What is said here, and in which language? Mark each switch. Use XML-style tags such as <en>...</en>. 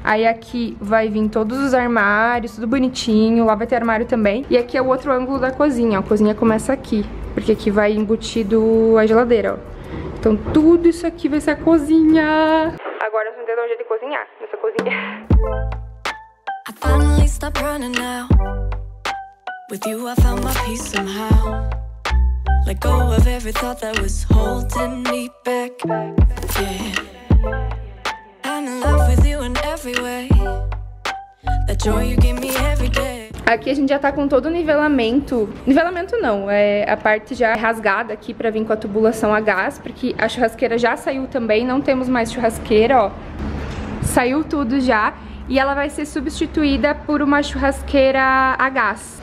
<pt>Aí aqui vai vir todos os armários, tudo bonitinho. Lá vai ter armário também. E aqui é o outro ângulo da cozinha, ó. A cozinha começa aqui, porque aqui vai embutido a geladeira, ó. Então tudo isso aqui vai ser a cozinha. Agora vocês entendem onde é de cozinhar nessa cozinha.</pt> <en>I finally stop running now. With you I found my peace somehow. Let go of every thought that was holding me back. Yeah. I'm in love with you in every way. That joy you give me every day.</en> <pt>Aqui a gente já tá com todo o nivelamento. Nivelamento não, é a parte já rasgada aqui pra vir com a tubulação a gás, porque a churrasqueira já saiu também, não temos mais churrasqueira, ó. Saiu tudo já. E ela vai ser substituída por uma churrasqueira a gás.</pt>